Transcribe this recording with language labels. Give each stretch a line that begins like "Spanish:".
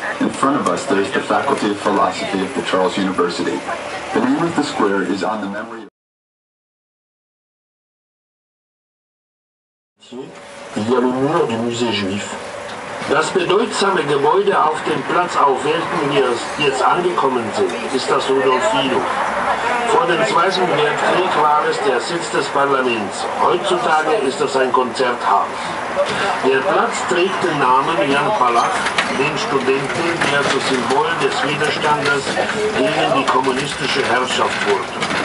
English: In front of us, there is the Faculty of Philosophy of the Charles University. The name of the square is on the memory of...
French: Il y a le mur du musée juif.
German: Das bedeutsame Gebäude auf dem Platz, auf welchem wir jetzt angekommen sind, ist das Rudolfinum. Vor dem Zweiten Weltkrieg war es der Sitz des Parlaments. Heutzutage ist es ein Konzerthaus. Der Platz trägt den Namen Jan Palach, den Studenten, der zum Symbol des Widerstandes gegen die kommunistische Herrschaft wurde.